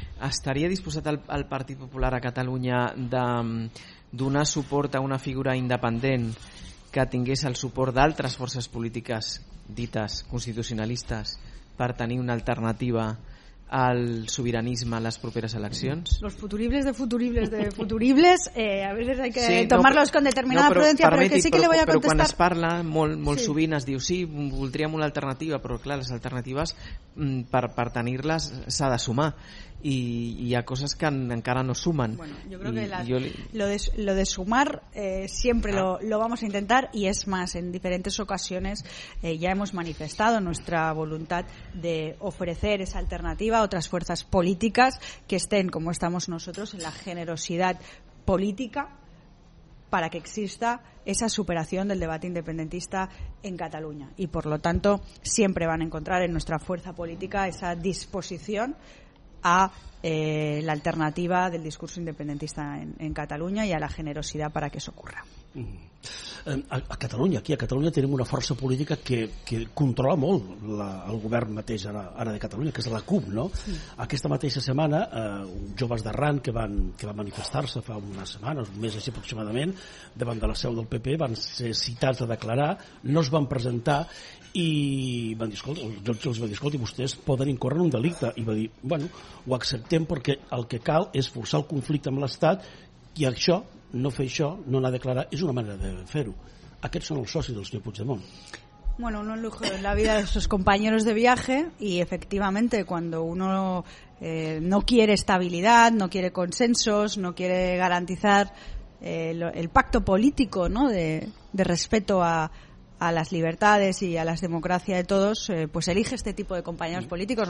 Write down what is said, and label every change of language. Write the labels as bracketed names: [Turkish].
[Catalan] Estaria disposat el Partit Popular a Catalunya de donar suport a una figura independent que tingués el suport d'altres forces polítiques dites constitucionalistes per tenir una alternativa al sobiranisme a les properes eleccions? [Spanish] Los futuribles de futuribles de futuribles, a veces hay que tomarlos con determinada prudencia, pero que sí que le voy a contestar. [Catalan] Però quan es parla molt, molt sovint es diu sí, voldríem una alternativa, però clar, les alternatives per tenir-les s'ha de sumar. [Spanish] Y a cosas que encara no suman. Bueno, yo creo lo de sumar siempre lo vamos a intentar, y es más, en diferentes ocasiones ya hemos manifestado nuestra voluntad de ofrecer esa alternativa a otras fuerzas políticas que estén, como estamos nosotros, en la generosidad política para que exista esa superación del debate independentista en Cataluña. Y por lo tanto, siempre van a encontrar en nuestra fuerza política esa disposición a la alternativa del discurso independentista en Cataluña y a la generosidad para que eso ocurra. [Catalan] A Catalunya, aquí a Catalunya, tenim una força política que controla molt el govern mateix ara de Catalunya, que és la CUP, no? Sí. Aquesta mateixa setmana, joves d'Arran que van manifestar-se fa unes setmanes, un mes així aproximadament, davant de la seu del PP, van ser citats a declarar, no es van presentar, i van dir, escolta, el jutge els va dir, escolta, vostès poden incórrer en un delicte, i va dir, bueno, ho acceptem perquè el que cal és forçar el conflicte amb l'Estat, i això, no fer això, no anar a declarar, és una manera de fer-ho. Aquests són els socis del senyor Puigdemont. [Spanish] Bueno, uno lujo en la vida de sus compañeros de viaje, y efectivamente cuando uno no quiere estabilidad, no quiere consensos, no quiere garantizar el pacto político, ¿no? de respeto a las libertades y a las democracias de todos, pues elige este tipo de compañeros políticos.